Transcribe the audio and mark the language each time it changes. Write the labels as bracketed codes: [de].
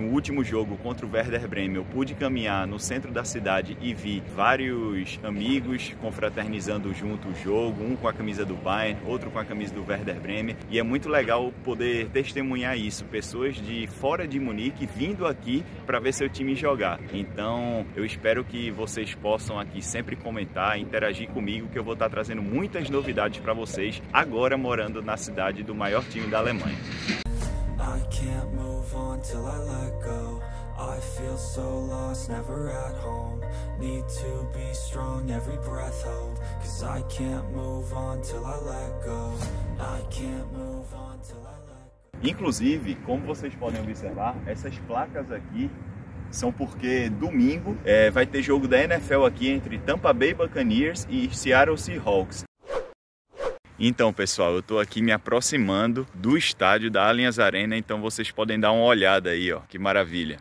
[pt] No último jogo contra o Werder Bremen, eu pude caminhar no centro da cidade e vi vários amigos confraternizando junto o jogo, um com a camisa do Bayern, outro com a camisa do Werder Bremen, e é muito legal poder testemunhar isso, pessoas de fora de Munique vindo aqui para ver seu time jogar. Então, eu espero que vocês possam aqui sempre comentar, interagir comigo, que eu vou estar trazendo muitas novidades para vocês agora morando na cidade do maior time da Alemanha. [en] I can't move on till I let go. I feel so lost, never at home. Need to be strong, every breath hold. Cause I can't move on till I let go. I can't move on till I let go. [pt] Inclusive, como vocês podem observar, essas placas aqui são porque domingo vai ter jogo da NFL aqui entre Tampa Bay Buccaneers e Seattle Seahawks. Então, pessoal, eu tô aqui me aproximando do estádio da Allianz Arena, então vocês podem dar uma olhada aí, ó, que maravilha.